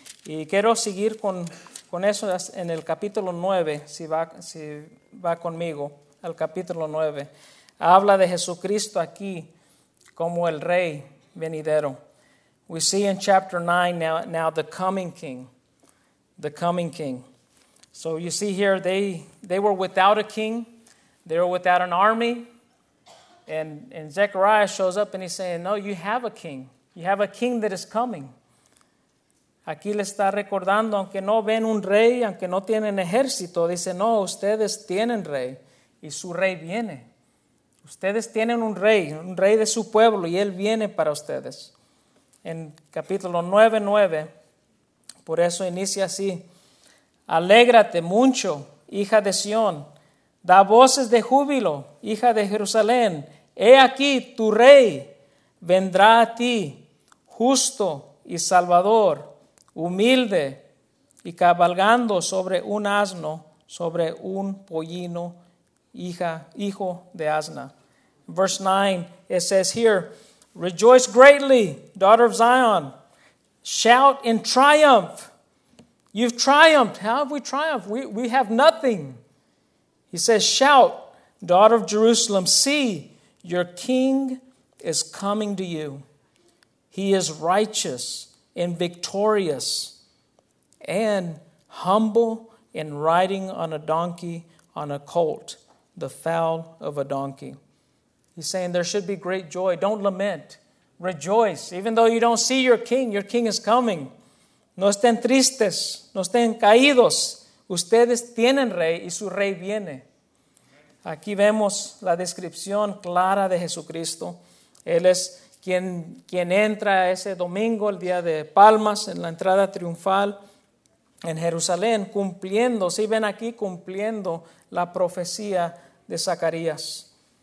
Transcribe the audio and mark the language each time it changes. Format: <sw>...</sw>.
<es>Y quiero seguir con eso en el capítulo 9, si va conmigo, al capítulo 9. Habla de Jesucristo aquí como el rey venidero.</es> <en>We see in chapter 9 now the coming king. the coming king. So you see here, they were without a king. They were without an army. And Zechariah shows up and he's saying, no, you have a king. You have a king that is coming.</en> <es>Aquí le está recordando, aunque no ven un rey, aunque no tienen ejército, dice, no, ustedes tienen rey y su rey viene. Ustedes tienen un rey de su pueblo y él viene para ustedes. En capítulo 9:9, por eso inicia así. Alégrate mucho, hija de Sión. Da voces de júbilo, hija de Jerusalén. He aquí, tu rey vendrá a ti, justo y salvador, humilde y cabalgando sobre un asno, sobre un pollino, hijo de asna.</es> <en>Verse 9, it says here, rejoice greatly, daughter of Zion. Shout in triumph. You've triumphed. How have we triumphed? We have nothing. He says, shout, daughter of Jerusalem. See, your king is coming to you. He is righteous and victorious and humble in riding on a donkey, on a colt, the foal of a donkey. He's saying there should be great joy. Don't lament. Rejoice. Even though you don't see your king is coming.</en> <es>No estén tristes. No estén caídos. Ustedes tienen rey y su rey viene. Aquí vemos la descripción clara de Jesucristo. Él es quien entra ese domingo, el día de Palmas, en la entrada triunfal en Jerusalén, cumpliendo, si ven aquí, cumpliendo la profecía de Zacarías.</es>